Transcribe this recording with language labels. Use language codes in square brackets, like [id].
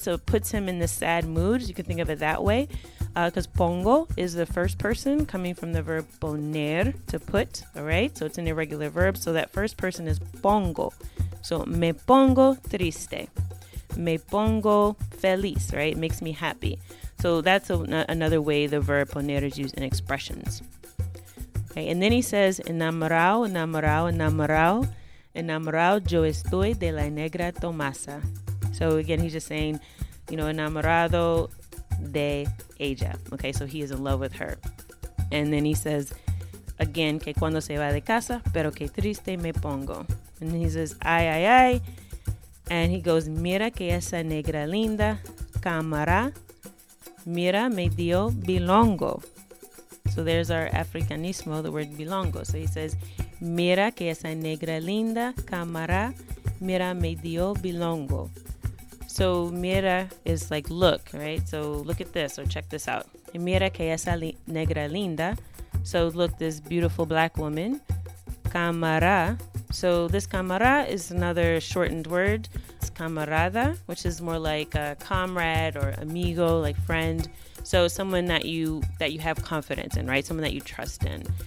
[en] So it puts him in the sad mood. You can think of it that way. Because pongo is the first person coming from the verb poner, to put, all right? So it's an irregular verb. So that first person is pongo. So [es] me pongo triste. Me pongo feliz, [en] right? It makes me happy. So that's another way the verb poner is used in expressions. Okay, and then he says, [es] enamorado, enamorado, enamorado. Enamorado yo estoy de la negra Tomasa. [en] So again, he's just saying, you know, [es] enamorado de ella. [en] Okay, so he is in love with her. And then he says, again, [es] que cuando se va de casa, pero que triste me pongo. [en] And he says, [es] ay, ay, ay. [en] And he goes, [es] mira que esa negra linda, camara, mira me dio bilongo. [en] So there's our Africanismo, the word bilongo. So he says, [es] mira que esa negra linda, camara, mira me dio bilongo. [en] So mira is like look, right? So look at this, or check this out. [es] Mira que esa negra linda. [en] So look, this beautiful black woman. Camara. So this camara is another shortened word. It's camarada, which is more like a comrade or amigo, like friend. So someone that you have confidence in, right? Someone that you trust in.